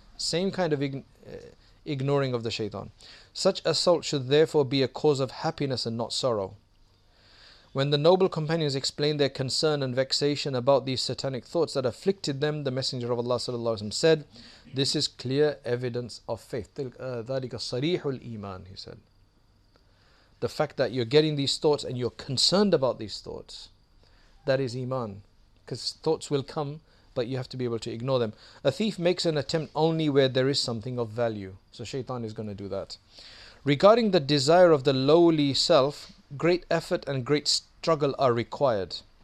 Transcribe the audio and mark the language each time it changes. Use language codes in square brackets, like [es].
[en] Same kind of ignoring of the shaitan. Such assault should therefore be a cause of happiness and not sorrow. When the noble companions explained their concern and vexation about these satanic thoughts that afflicted them, the Messenger of Allah sallallahu alaihi wasallam said, this is clear evidence of faith. [ar] ذَلِكَ صَرِيحُ الْإِيمَانِ, [en] he said. The fact that you're getting these thoughts and you're concerned about these thoughts, that is iman. because thoughts will come, but you have to be able to ignore them. A thief makes an attempt only where there is something of value. So shaitan is going to do that. Regarding the desire of the lowly self, great effort and great struggle are required.